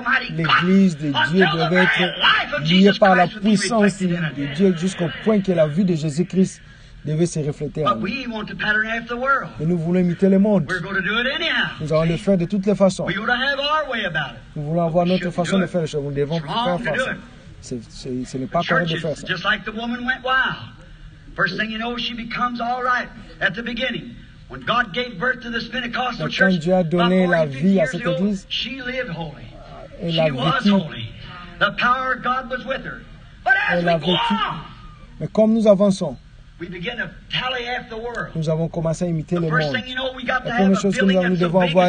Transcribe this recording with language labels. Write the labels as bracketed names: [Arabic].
[French] L'Église de Dieu devait être liée par la puissance de Dieu jusqu'au point que la vie de Jésus-Christ devait se refléter en nous. Et nous voulons imiter le monde. Nous allons le faire de toutes les façons. Nous voulons avoir notre façon de faire les choses. Nous devons faire façon. Ce n'est pas correct de faire ça. [English] Just like the woman went wild. First thing you know, she becomes all right at the beginning. When God gave birth to this Pentecostal church, [French] quand Dieu a donné la vie à cette église, [English] she lived holy. She was holy. The power of God was with her. But as we go on, [French] mais comme nous avançons, [English] we begin to tally after the world. [French] Nous avons commencé à imiter le monde. La première chose que nous avons, nous devons avoir